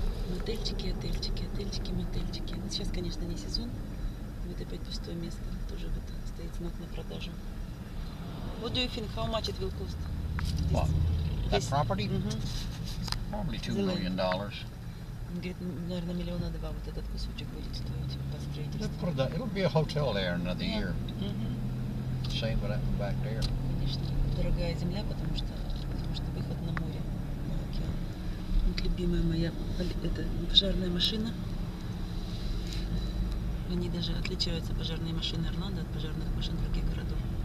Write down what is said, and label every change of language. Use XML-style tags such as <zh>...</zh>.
<ru>Мотельчики. Но сейчас, конечно, не сезон. Вот опять пустое место. Тоже вот стоит знак на продажу.</ru> <en>What do you think? How much it will cost? This, what? That property? Mm-hmm. Probably $2 million.</en> <ru>Говорит, наверное, миллиона два вот этот кусочек будет стоить по строительству.</ru> <en>It'll be a hotel there another year. Mm-hmm. Same what happened back there.</en> <ru>Конечно, дорогая земля, потому что выход на море, на океан. Вот любимая моя это пожарная машина. Они даже отличаются, пожарные машины Орландо, от пожарных машин других городов.</ru>